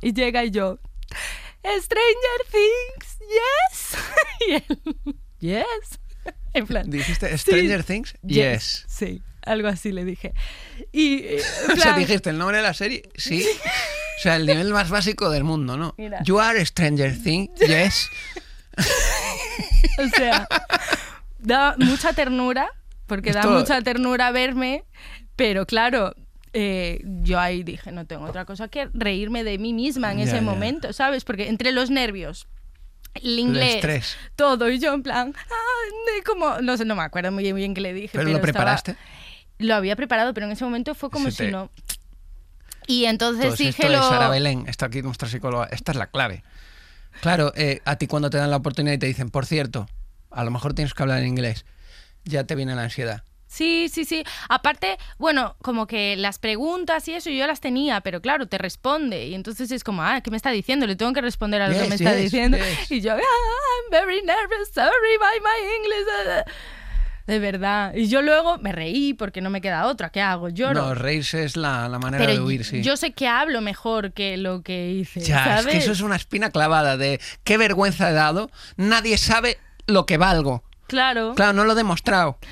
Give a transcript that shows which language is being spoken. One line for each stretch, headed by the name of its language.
Spanish: Y llega y yo, Stranger Things, yes. Y él, yes. En plan, ¿dijiste Stranger Things?
English: Yes.
Spanish: Sí. Algo así le dije. Y, plan, o sea, dijiste el nombre de la serie, sí. O sea, el nivel más básico del mundo, ¿no? Mira.
English: You are a Stranger Thing, yes.
Spanish: O sea, da mucha ternura, porque esto... da mucha ternura verme, pero claro, yo ahí dije, no tengo otra cosa que reírme de mí misma en ese momento, ¿sabes? Porque entre los nervios... El inglés, todo, y yo en plan, como, no sé, no me acuerdo muy bien qué le dije. ¿Pero lo preparaste? Lo había preparado, pero en ese momento fue como si no. Y entonces dije lo... Sara Belén, está aquí nuestra psicóloga, esta es la clave. Claro, a ti cuando te dan la oportunidad y te dicen, por cierto, a lo mejor tienes que hablar en inglés, ya te viene la ansiedad. Sí. Aparte, bueno, como que las preguntas y eso yo las tenía, pero claro, te responde. Y entonces es como, ¿qué me está diciendo? Le tengo que responder a lo que me está diciendo.
English: Yes.
Spanish: Y yo,
English: I'm very nervous, sorry by my English.
Spanish: De verdad. Y yo luego me reí porque no me queda otra. ¿Qué hago? Lloro. No, reírse es la manera pero de huir, sí. Yo sé que hablo mejor que lo que hice, ya, ¿sabes? Es que eso es una espina clavada de qué vergüenza he dado. Nadie sabe lo que valgo. Claro. Claro, no lo he demostrado.